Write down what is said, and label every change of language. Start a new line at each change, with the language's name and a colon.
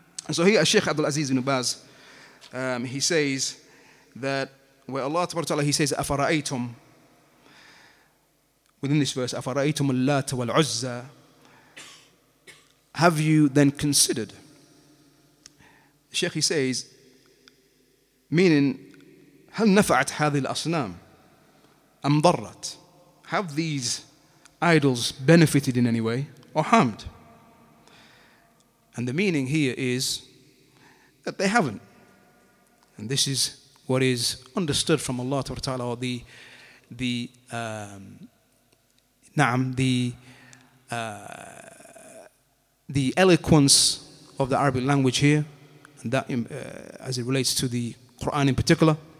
English: So here, Sheikh Abdul Aziz ibn Baz, he says that where Allah Tabaraka Ta'ala, he says, Afara'aytum, within this verse, Afara'aytum Al-Lat wal-Uzza, have you then considered? Sheikh, he says, meaning,
Arabic: هل نفعت هذه الأصنام أم ضرت?
English: Have these idols benefited in any way or harmed? And the meaning here is that they haven't. And this is what is understood from Allah Ta'ala, or the eloquence of the Arabic language here, and that as it relates to the Quran in particular.